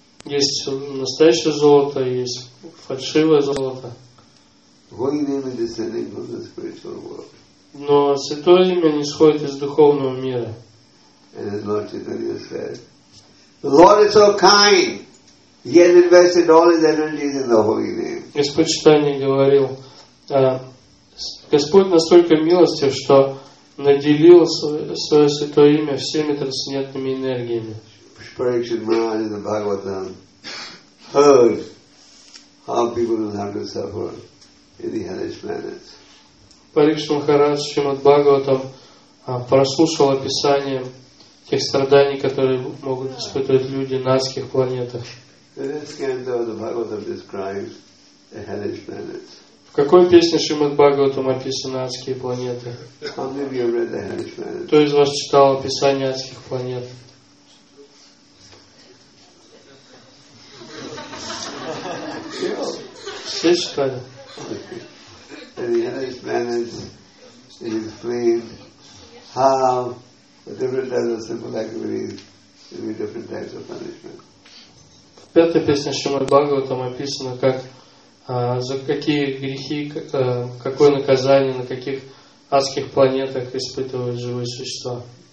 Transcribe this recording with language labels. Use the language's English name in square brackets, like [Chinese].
[Russian] Есть настоящее золото, есть фальшивое золото. [English] Holy name is descending from the spiritual world. [Russian] Но святое имя исходит из духовного мира. [English] And as Lord Chaitanya said, the Lord is so kind. He has invested all his energies in the holy name. [Russian] Господь Читание говорил, Господь настолько милостив, что наделил свое святое имя всеми трансцендентными энергиями. [English] Parikshit Maharaj in the Bhagavatam heard how people will have to suffer in the hellish planets. Parikshit Maharaj in the Bhagavatam [Russian] прослушал описание тех страданий, которые могут испытывать люди на адских планетах. В какой песне Шримад Бхагаватам описаны адские планеты? Кто из вас читал описание адских планет? Все читали? [English] And the hellish planets is explained how the different types of simple activities will be different types of punishment. [Russian] В пятой песне Шримад Бхагаватам описано, как, за какие грехи, какое наказание на каких адских планетах испытывают живые существа.